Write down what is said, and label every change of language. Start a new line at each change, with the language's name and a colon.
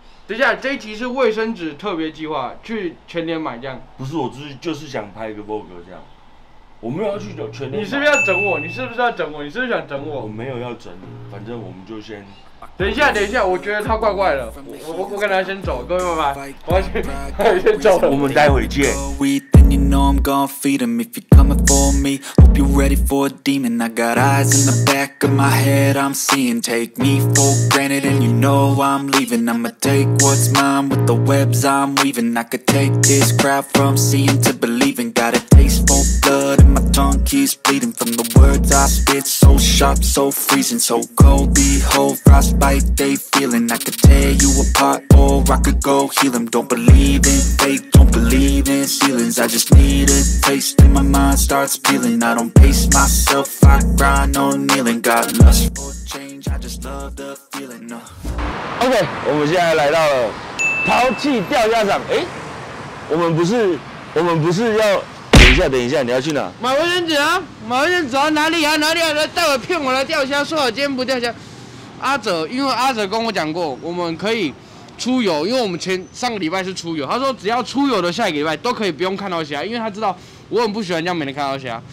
Chinese: 等一下，这一集是卫生纸特别计划，去全联买这样。不是，我就是想拍一个 vlog 这样。我没有要去找全联。你是不是要整我？你是不是要整我？你是不是想整我？我没有要整你，反正我们就先。等一下，我觉得他怪怪的。我跟他先走，各位拜拜。我先走了。我们待会见。
English: You know I'm gon' feed 'em if you're coming for me. Hope you're ready for a demon. I got eyes in the back of my head. I'm seeing. Take me for granted, and you know I'm leaving. I'ma take what's mine with the webs I'm weaving. I could take this crowd from seeing to believing. Got a taste for blood, and my tongue keeps bleeding from the words I spit. So sharp, so freezing, so cold. Behold, frostbite they feeling. I could tear you apart, or I could go heal 'em. Don't believe in fate. Don't believe in ceilings. I just need a taste, and my mind starts peeling. I don't pace myself, I grind on kneeling. Got lust for change, I just love the feeling.
Chinese: OK， 我们现在来到了淘气钓虾场。哎，我们不是要等一下，你要去哪？买卫生纸啊，买卫生纸啊，哪里啊？来，待会骗我来钓虾，说好今天不钓虾。阿哲，因为阿哲跟我讲过，我们可以。出游，因为我们前上个礼拜是出游，他说只要出游的下一个礼拜都可以不用看到虾，因为他知道我很不喜欢这样每天看到虾。